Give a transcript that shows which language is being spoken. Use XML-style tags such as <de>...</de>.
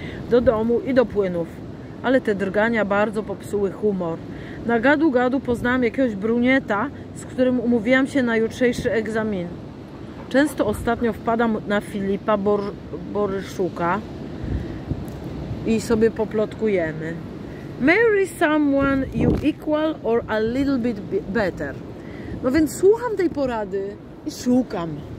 <pl>Do domu i do płynów. Ale te drgania bardzo popsuły humor. Na gadu-gadu poznałam jakiegoś brunieta, z którym umówiłam się na jutrzejszy egzamin. Często ostatnio wpadam na Filipa Boryszuka i sobie poplotkujemy.</pl> <en>Marry someone you equal or a little bit better.</en> <pl>No więc słucham tej porady i szukam.</pl>